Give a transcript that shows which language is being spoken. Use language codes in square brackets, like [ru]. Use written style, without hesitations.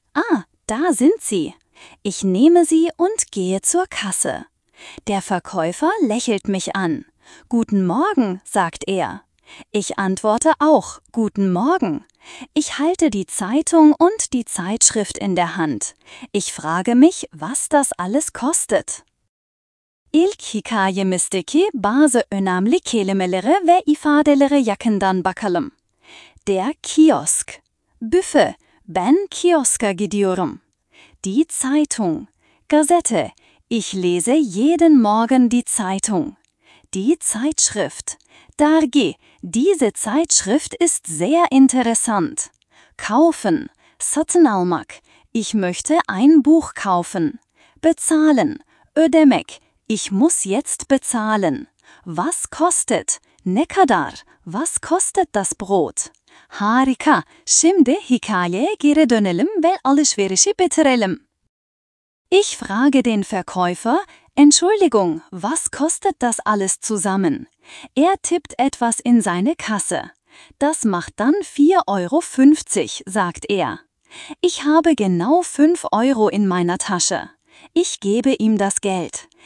[de] Ah, da sind sie. Ich nehme sie und gehe zur Kasse. Der Verkäufer lächelt mich an. Guten Morgen, sagt er. Ich antworte auch, guten Morgen. Ich halte die Zeitung und die Zeitschrift in der Hand. Ich frage mich, was das alles kostet. [tr] Ilk hikaye misteki bazı önemli kelimeleri ve ifadeleri yakından bakalım. [de] Der Kiosk. [tr] Büfe. Ben kioska gidiyorum. [de] Die Zeitung. Gazete. Ich lese jeden Morgen die Zeitung. Die Zeitschrift. Dargi, diese Zeitschrift ist sehr interessant. Kaufen. [tr] Satın almak. [de] Ich möchte ein Buch kaufen. Bezahlen. Ödemek. Ich muss jetzt bezahlen. Was kostet? [tr] Ne kadar? [de] Was kostet das Brot? Harika. [tr] Şimdi hikayeye geri dönelim ve alışverişi bitirelim. [de] Ich frage den Verkäufer, Entschuldigung, was kostet das alles zusammen? Er tippt etwas in seine Kasse. Das macht dann 4,50 Euro, sagt er. Ich habe genau 5 Euro in meiner Tasche. Ich gebe ihm das Geld.